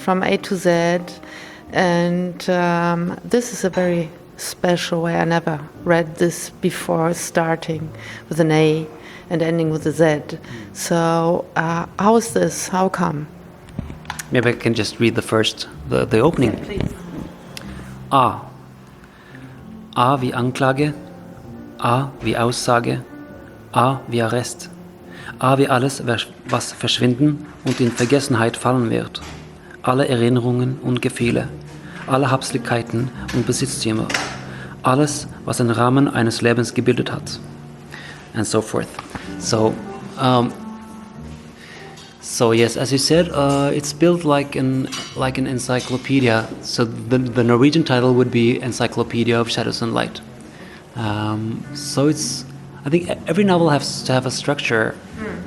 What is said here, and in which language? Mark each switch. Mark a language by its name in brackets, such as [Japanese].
[English] From A to Z, and this is a very special way. I never read this before, starting with an A and ending with a Z. So how is this? How come? Maybe I can just read the opening. Yeah, please. Ah. [German] A wie Anklage, A wie Aussage, A wie Arrest, A wie alles, was verschwinden und in Vergessenheit fallen wird. Alle Erinnerungen und Gefühle, alle Habseligkeiten und Besitztümer, alles, was den Rahmen eines Lebens gebildet hat. [English] And so forth. So, so yes, as you said, it's built like an encyclopedia. So the Norwegian title would be Encyclopedia of Shadows and Light. So it's, I think every novel has to have a structure. Mm.